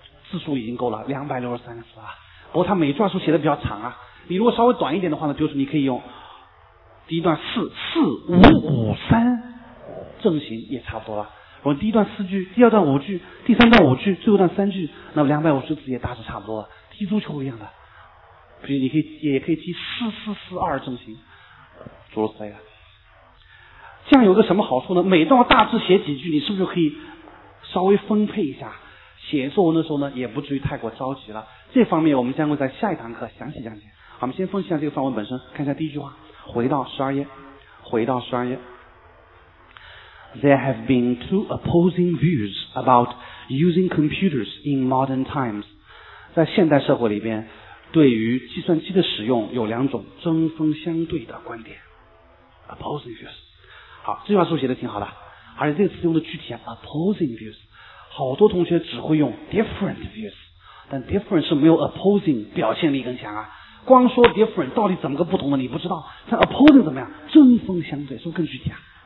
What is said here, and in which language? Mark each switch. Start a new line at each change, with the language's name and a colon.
Chinese: 字数已经够了，263个字啊。不过他每段数写的比较长啊，你如果稍微短一点的话呢，就是你可以用第一段四四五五三正行也差不多了。我第一段四句，第二段五句，第三段五句，最后段三句，那么250字也大致差不多了，踢足球一样的，比如你可以也可以踢四四四二正行，诸如此类的。这样有个什么好处呢？每段大致写几句，你是不是就可以稍微分配一下？写作文的时候呢，也不至于太过着急了。这方面我们将会在下一堂课详细讲解。我们先分析一下这个范文本身，看一下第一句话，回到十二页，回到十二页。
English: There have been two opposing views about using computers in modern times.
Chinese: 在现代社会里边，对于计算机的使用有两种针锋相对的观点。
English: Opposing views.
Chinese: 好，这句话是不是写的挺好的？而且这个词用的具体啊 ，
English: opposing views，
Chinese: 好多同学只会用
English: different views。
Chinese: 但 different 是没有 opposing 表现力更强啊，光说 different 到底怎么个不同的你不知道，但 opposing 怎么样，针锋相对，是不是更具体啊？